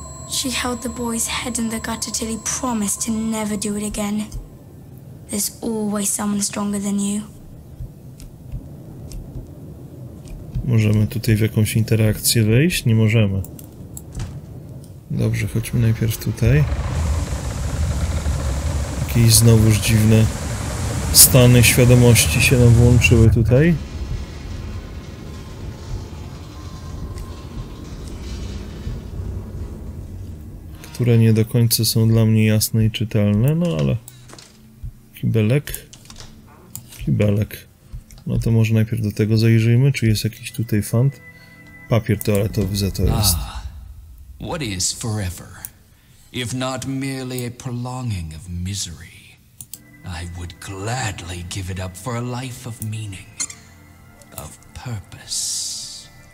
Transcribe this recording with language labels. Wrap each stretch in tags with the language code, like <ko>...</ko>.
<en>She held the boy's head in the gutter till he promised to never do it again. There's always someone stronger than you.</en> <pl>Możemy tutaj w jakąś interakcję wejść? Nie możemy. Dobrze, chodźmy najpierw tutaj. Jakieś znowuż dziwne stany świadomości się nam włączyły tutaj. Które nie do końca są dla mnie jasne i czytelne, no ale... kibelek. Kibelek. No to może najpierw do tego zajrzyjmy, czy jest jakiś tutaj fant? Papier toaletowy za to jest.</pl> <en>Ah, what is forever, if not merely a prolonging of misery? I would gladly give it up for a life of meaning, of purpose.</en>